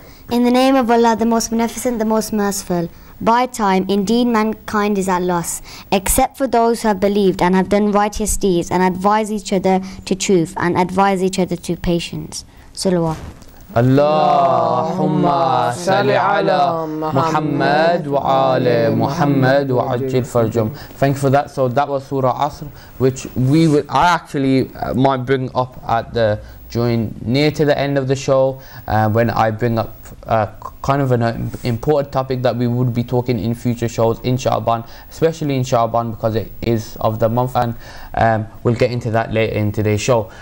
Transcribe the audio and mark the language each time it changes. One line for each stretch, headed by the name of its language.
English: In the name of Allah, the most beneficent, the most merciful. By time, indeed mankind is at loss, except for those who have believed and have done righteous deeds and advise each other to truth and advise each other to patience. Salawat.
Arabic: اللهم صل على محمد وعلى محمد وعجل فرجهم.
English: Thank you for that. So that was Surah Asr, which I actually might bring up near to the end of the show, when I bring up kind of an important topic that we would be talking in future shows in Shaban, especially in Shaban because it is of the month, and we'll get into that later in today's show.